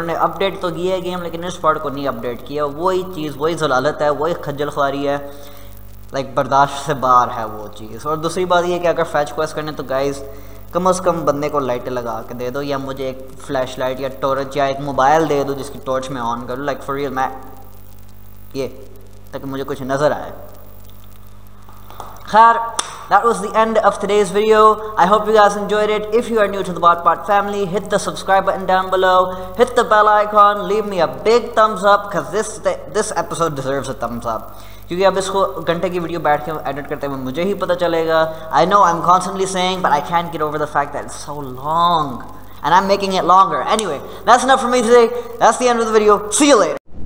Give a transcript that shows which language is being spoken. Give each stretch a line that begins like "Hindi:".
Hindi: उन्होंने अपडेट तो किया है गेम, लेकिन इस पार्ट को नहीं अपडेट किया, वही चीज़ वही जलालत है, वही खज्जल ख्वारी है, लाइक बर्दाश्त से बाहर है वो चीज़। और दूसरी बात यह कि अगर फैच क्वेस्ट करने तो गाइज कम अज़ कम बंदे को लाइटें लगा के दे दो, या मुझे एक फ्लैश लाइट या टॉर्च या एक मोबाइल दे दो जिसकी टॉर्च मैं ऑन करूँ,
English: like for real
Hindi: मैं ये, ताकि मुझे कुछ नज़र आए। खैर,
English: that was the end of today's video. I hope you guys enjoyed it. If you are new to the BotPod family, hit the subscribe button down below. Hit the bell icon. Leave me a big thumbs up because this episode deserves a thumbs up.
Hindi: क्योंकि अब इसको घंटे की video बैठ के edit करते हुए मुझे ही पता चलेगा।
English: I know I'm constantly saying, but I can't get over the fact that it's so long, and I'm making it longer. Anyway, that's enough for me today. That's the end of the video. See you later.